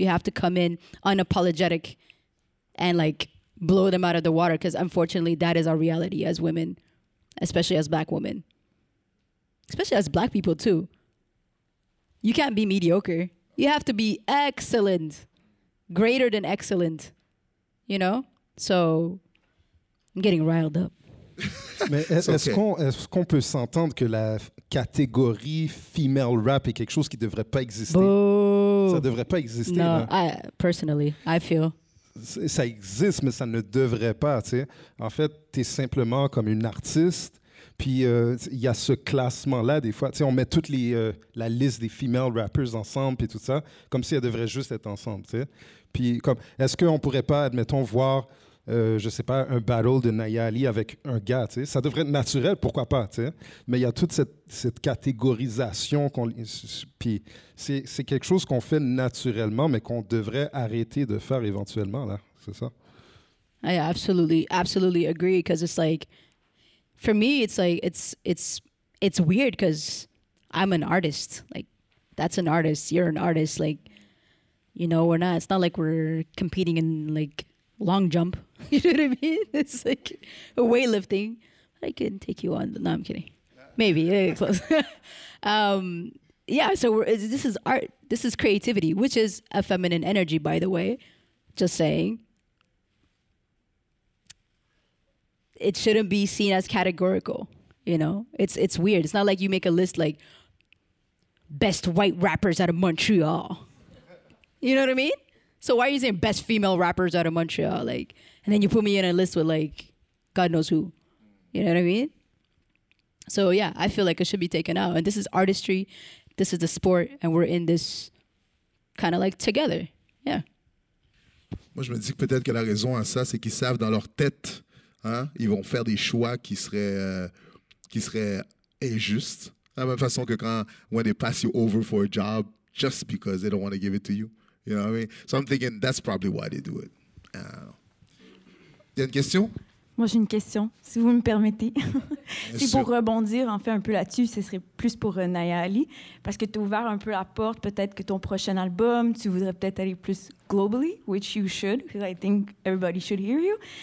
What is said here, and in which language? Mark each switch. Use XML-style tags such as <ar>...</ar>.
<en>You have to come in unapologetic and, like, blow them out of the water, because unfortunately that is our reality as women, especially as black women, especially as black people too. You can't be mediocre. You have to be excellent, greater than excellent, you know? So I'm getting riled up.</en> <fr>Mais est-ce qu'on peut s'entendre que la catégorie female rap est quelque chose qui devrait pas exister? Oh. Ça devrait pas exister.</fr> <en>No,</en> <fr>là.</fr> <en>I feel.</en> <fr>Ça existe, mais ça ne devrait pas, tu sais. En fait, tu es simplement comme une artiste, puis il y a ce classement-là, des fois. Tu sais, on met toute la liste des female rappers ensemble, puis tout ça, comme si elles devraient juste être ensemble, tu sais. Puis, comme, est-ce qu'on pourrait pas, admettons, voir, je sais pas, un battle de Naya Ali avec un gars, tu sais? Ça devrait être naturel, pourquoi pas, tu sais? Mais il y a toute cette catégorisation, puis c'est quelque chose qu'on fait naturellement, mais qu'on devrait arrêter de faire éventuellement, là, c'est ça?</fr> <en>I absolutely agree, because it's like, for me, it's like, it's weird, because I'm an artist, like, that's an artist, you're an artist, like, you know, we're not, it's not like we're competing in, like, long jump, you know what I mean? It's like a weightlifting. I can take you on. No, I'm kidding. Maybe. Close. this is art. This is creativity, which is a feminine energy, by the way. Just saying. It shouldn't be seen as categorical, you know? It's weird. It's not like you make a list like best white rappers out of Montreal. You know what I mean? So why are you saying best female rappers out of Montreal? Like, and then you put me in a list with, like, God knows who. You know what I mean? So, yeah, I feel like it should be taken out. And this is artistry. This is the sport. And we're in this kind of, like, together. Yeah.</en> <fr>Moi, je me dis que peut-être que la raison à ça, c'est qu'ils savent dans leur tête, hein, ils vont faire des choix qui seraient injustes. De la même façon que quand,</fr> <en>when they pass you over for a job, just because they don't want to give it to you. You know what I mean? So I'm thinking that's probably why they do it.</en> <fr>Il y a une question? Moi, j'ai une question, si vous me permettez. C'est pour rebondir en fait un peu là-dessus, ce serait plus pour Naya Ali, parce que tu as ouvert un peu la porte, peut-être que ton prochain album, tu voudrais peut-être aller plus globally,</fr> <en>which you should, because I think everybody should hear you.</en>